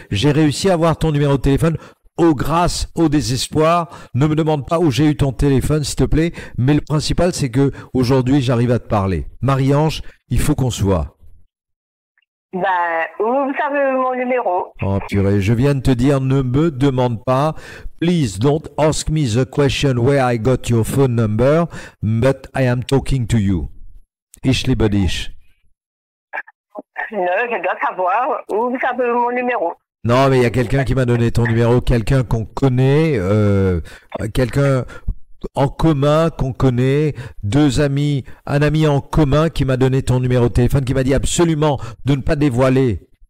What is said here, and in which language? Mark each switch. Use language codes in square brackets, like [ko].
[fr] J'ai réussi à avoir ton numéro de téléphone. Oh, grâce, au désespoir. Ne me demande pas où j'ai eu ton téléphone, s'il te plaît. Mais le principal, c'est que aujourd'hui, j'arrive à te parler. Marie-Ange, il faut qu'on se voit. Ben, où vous savez mon numéro? Oh, purée. Je viens de te dire, ne me demande pas. [en] Please don't ask me the question where I got your phone number, but I am talking to you. Ichlibodish. [fr] Je dois savoir où vous savez mon numéro. Non, mais il y a quelqu'un qui m'a donné ton numéro, quelqu'un qu'on connaît, quelqu'un en commun qu'on connaît, deux amis, un ami en commun qui m'a donné ton numéro de téléphone, qui m'a dit absolument de ne pas dévoiler.